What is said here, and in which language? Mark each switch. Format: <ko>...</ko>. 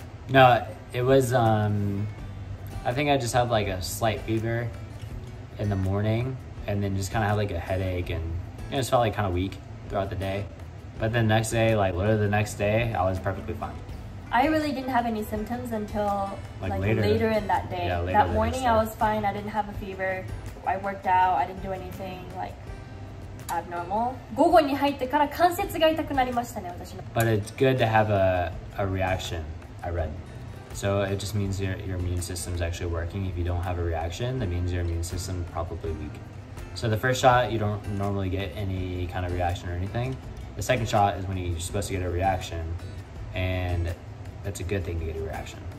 <en>no, it was, I think I just have like a slight fever in the morning and then just kind of have like a headache and you know, just felt like kind of weak throughout the day. But then the next day, like literally the next day, I was perfectly fine. I really didn't have any symptoms until like later. Later in that day. Yeah, that morning I was fine, I didn't have a fever. I worked out, I didn't do anything like abnormal.</en> <ja>午後に入ってから関節が痛くなりましたね、私の。</ja> <en>But it's good to have a reaction, I read. So it just means your immune system's actually working. If you don't have a reaction, that means your immune system is probably weak. So the first shot, you don't normally get any kind of reaction or anything. The second shot is when you're supposed to get a reaction. And that's a good thing to get a reaction.</en>